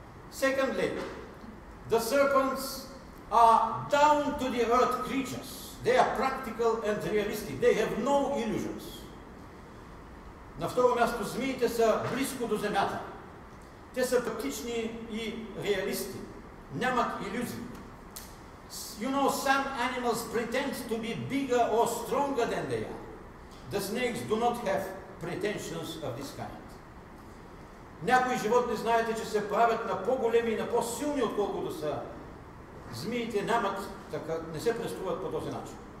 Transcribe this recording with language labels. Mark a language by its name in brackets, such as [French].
[English] Secondly, the serpents are down to the earth creatures. They are practical and realistic. They have no illusions. [Bulgarian] На второ място, змиите са близко до земята. Те са практични и реалисти. Нямат илюзии. [English] You know, some animals pretend to be bigger or stronger than they are. The snakes do not have pretensions of this kind. [Bulgarian] Някои животни, знаете, че се правят на по-големи и на по-силни, отколкото са. Змиите нямат, така, не се преструват по този начин.